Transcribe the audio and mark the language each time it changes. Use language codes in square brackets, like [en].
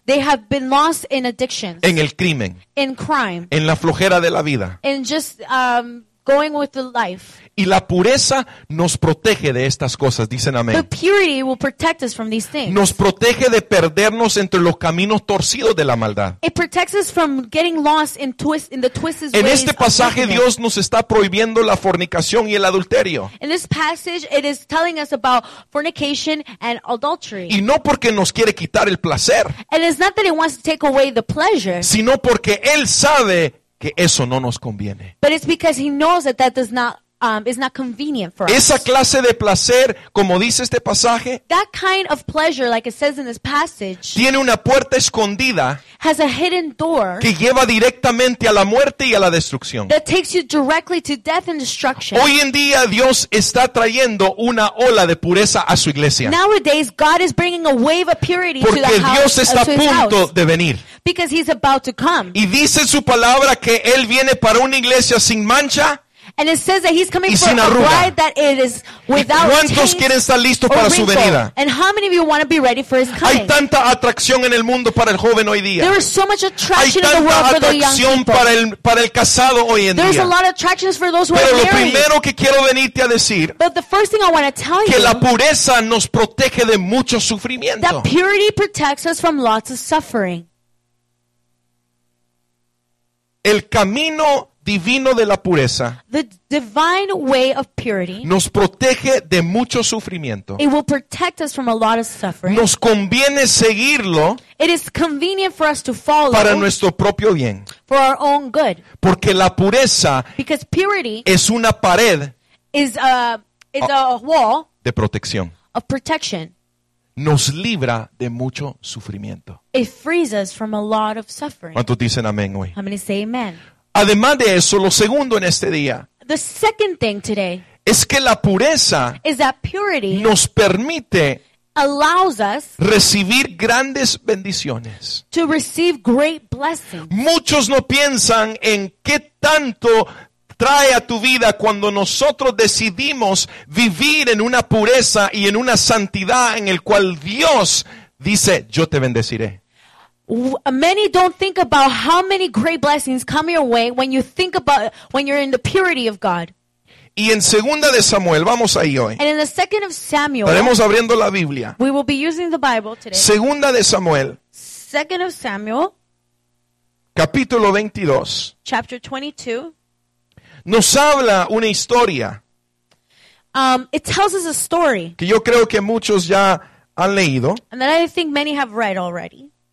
[en] they have been lost in addictions, [es] en el crimen, [en] in crime, [es] en la flojera de la vida, [en] in just going with the life. [es] Y la pureza nos protege de estas cosas, dicen amén. [en] The purity will protect us from these things. [es] Nos protege de perdernos entre los caminos torcidos de la maldad. [en] It protects us from getting lost in the twisted ways. [es] En este pasaje Dios nos está prohibiendo la fornicación y el adulterio. [en] In this passage it is telling us about fornication and adultery. [es] Y no porque nos quiere quitar el placer. [en] And it's not that it wants to take away the pleasure. [es] Sino porque Él sabe que eso no nos conviene. [en] But it's because He knows that that does not is not convenient for us. [es] Esa clase de placer, como dice este pasaje, [en] that kind of pleasure, like it says in this passage, [es] tiene una puerta escondida, [en] has a hidden door, [es] que lleva directamente a la muerte y a la destrucción, [en] that takes you directly to death and destruction. [es] Hoy en día Dios está trayendo una ola de pureza a su iglesia. [en] Nowadays God is bringing a wave of purity [es] porque [en] to the house, [es] Dios está a punto [en] house. [es] De venir. [en] Because He's about to come. [es] Y dice su palabra que Él viene para una iglesia sin mancha. [en] And it says that He's coming for a bride that it is without taste or wrinkle. And how many of you want to be ready for His coming? [es] Hay tanta atracción en el mundo para el joven hoy día. [en] There is so much attraction in the world for the young people. [es] Para el casado hoy en [en] There's [es] día. [en] A lot of attractions for those who [es] Pero [en] are married. [es] Lo primero que quiero venirte a decir, [en] but the first thing I want to tell [es] que [en] you [es] la pureza nos protege de mucho sufrimiento. [en] That purity protects us from lots of suffering. [es] El camino divino de la pureza. [en] The divine way of purity. [es] Nos protege de mucho sufrimiento. [en] It will protect us from a lot of suffering. [es] Nos conviene seguirlo. [en] It is convenient for us to follow. [es] Para nuestro propio bien. [en] For our own good. [es] Porque la pureza. [en] Because purity. [es] Es una pared. [en] Is a wall. [es] De protección. [en] Of protection. [es] Nos libra de mucho sufrimiento. [en] It frees us from a lot of suffering. [es] ¿Cuántos dicen amén hoy? [en] How many say amen? [es] Además de eso, lo segundo en este día, [en] the second thing today, [es] es que la pureza [en] is that purity [es] nos permite [en] allows us [es] recibir grandes bendiciones. [en] To receive great blessings. [es] Muchos no piensan en qué tanto trae a tu vida cuando nosotros decidimos vivir en una pureza y en una santidad en el cual Dios dice, yo te bendeciré. [en] Many don't think about how many great blessings come your way when you think about when you're in the purity of God. [es] Y en segunda de Samuel, vamos ahí hoy. [en] And in the second of Samuel, [es] estaremos abriendo la Biblia. [en] We will be using the Bible today. [es] Segunda de Samuel. [en] Second of Samuel. [es] Capítulo 22. [en] Chapter 22. [es] Nos habla una historia. [en] It tells us a story. [es] Que yo creo que muchos ya han leído. [en] And that I think many have read already.